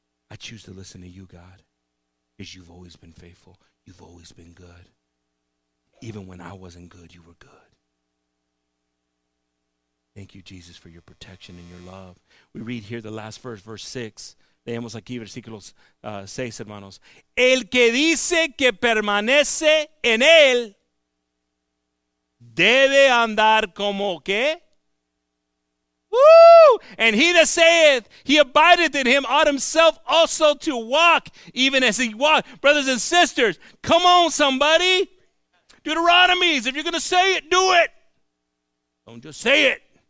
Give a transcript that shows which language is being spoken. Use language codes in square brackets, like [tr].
[en] I choose to listen to you, God, because you've always been faithful. You've always been good. Even when I wasn't good, you were good. Thank you, Jesus, for your protection and your love. We read here the last verse, verse 6. [es] Leemos aquí versículos 6, hermanos. El que dice que permanece en él debe andar como que? Woo! [en] And he that saith, he abideth in him, ought himself also to walk, even as he walked. Brothers and sisters, come on, somebody. Deuteronomies, if you're going to say it, do it. Don't just say it.